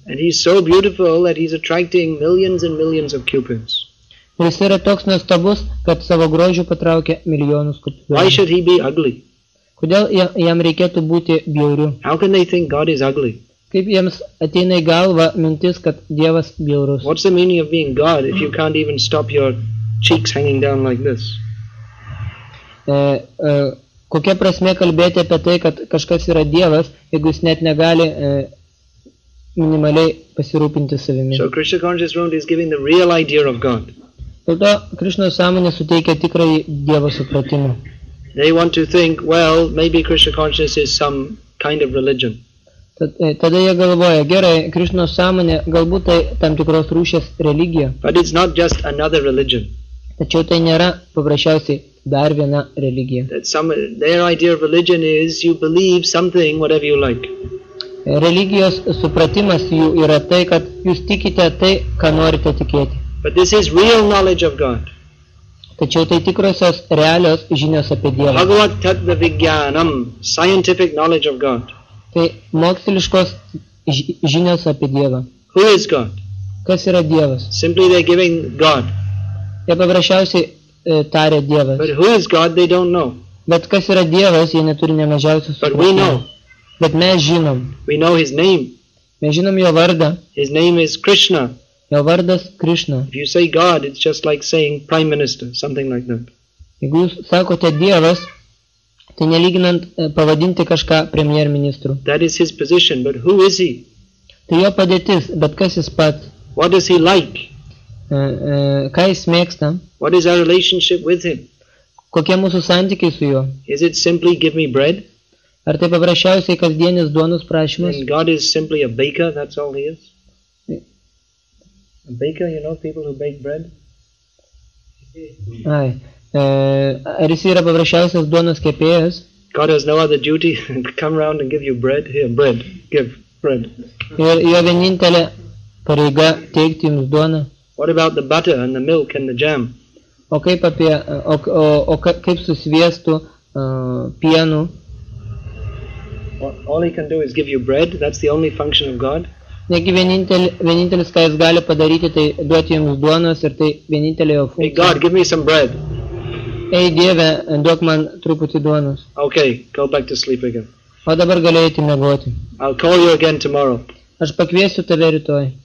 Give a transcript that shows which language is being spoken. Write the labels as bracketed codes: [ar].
[en] And he's so beautiful that he's attracting millions and millions of cupids. [lt] Jis yra toks nuostabus, kad savo grožiu patraukia milijonus cupidų. [en] Why should he be ugly? [lt] Kodėl jam reikėtų būti bjauriu? [en] How can they think God is ugly? [lt] Kaip jiems ateina į galvą mintis, kad Dievas bjaurus? [en] What's the meaning of being God if you can't even stop your cheeks hanging down like this? [lt] Kokia prasmė kalbėti apie tai, kad kažkas yra Dievas, jeigu jis net negali minimaliai pasirūpinti savimi? [en] So Krishna consciousness is giving the real idea of God. [lt] Dėl to Krishna sąmonė suteikia tikrai Dievo supratimą. [en] They want to think, well, maybe Krishna consciousness is some kind of religion. [lt] Tada jie galvoja, gerai, Krishna sąmonė, galbūt tai tam tikros rūšės religija. [en] But it's not just another religion. [lt] Tačiau tai nėra paprasčiausiai dar viena religija. [en] Their idea of religion is you believe something whatever you like. [lt] Religijos supratimas jų yra tai, kad jūs tikite tai, ką norite tikėti. [en] But this is real knowledge of God. [lt] Tačiau tai tikrosios realios žinios apie Dievą. [sa] Bhagavat tatva vigyanam, [en] scientific knowledge of God. [lt] Tai moksliškos žinios apie Dievą. [en] Who is God? [lt] Kas yra Dievas? [en] Simply they're giving God. [lt] Jie paprasčiausiai tarė Dievas. [en] But who is God, they don't know. [lt] Bet kas yra Dievas, jie neturi nemažiausio supratimo. [en] But we know. [lt] Bet mes žinom. [en] We know his name. [lt] Mes žinom jo vardą. [en] His name is Krishna. [lt] Jo vardas Krishna. [en] If you say God, it's just like saying Prime Minister, something like that. [lt] Jeigu jūs sakote Dievas, tai nelyginant pavadinti kažką premier ministru. [en] That is his position, but who is he? [lt] Tai jo padėtis, bet kas jis pats? [en] What does he like? [lt] Ką jis mėgsta? [en] What is our relationship with him? [lt] Kokie mūsų santykiai su juo? [en] Is it simply give me bread? [lt] Ar tai paprasčiausiai kasdienis duonos prašymas? [en] And God is simply a baker, that's all he is. A baker, you know, people who bake bread? [lt] Ai, ar jis yra paprasčiausias duonos kepėjas? [en] God has no other duty to come round and give you bread. Here, bread, give bread. [lt] Ir jo vienintelė pareiga teikti jums duoną. [en] What about the butter and the milk and the jam? [lt] O kaip apie, kaip su sviestu, pienu? [en] All he can do is give you bread, that's the only function of God. [lt] Negi vienintelis, ką jis gali padaryti, tai duoti jums duonos ir tai vienintelė jo funkcija. [en] Hey God, give me some bread. [lt] Ei Dieve, duok man truputį duonos. [en] Okay, go back to sleep again. [lt] O dabar galiu eiti miegoti. [en] I'll call you again tomorrow. [lt] Aš pakviesiu tave rytoj.